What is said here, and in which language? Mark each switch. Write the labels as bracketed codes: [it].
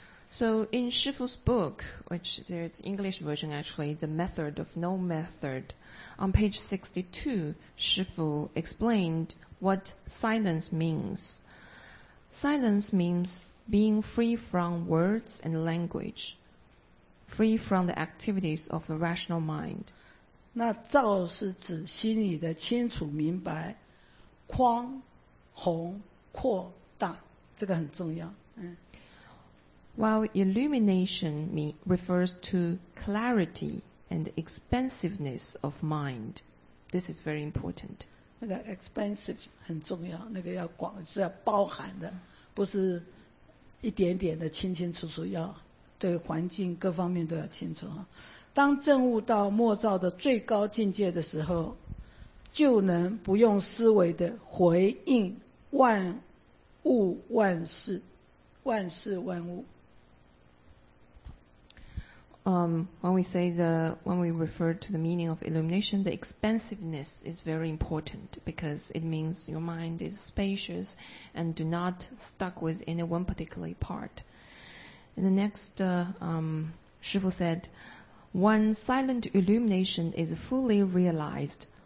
[en] So in Shifu's book, which there's English version actually, The Method of No Method, on page 62, Shifu explained what silence means. Silence means being free from words and language, free from the activities of a rational mind. [zh] 那照是指心里的清楚明白，宽、宏、扩大，这个很重要。嗯。 [en] While illumination refers to clarity and expansiveness of mind, this is very important. [zh] 那个 expansive 很重要，那个要广，是要包含的，不是一点点的清清楚楚，要对环境各方面都要清楚。当证悟到默照的最高境界的时候，就能不用思维的回应万物万事，万事万物。 [en] When we refer to the meaning of illumination, the expansiveness is very important because it means your mind is spacious and do not stuck with any one particular part. In the next, Shifu said, one silent illumination is fully realized.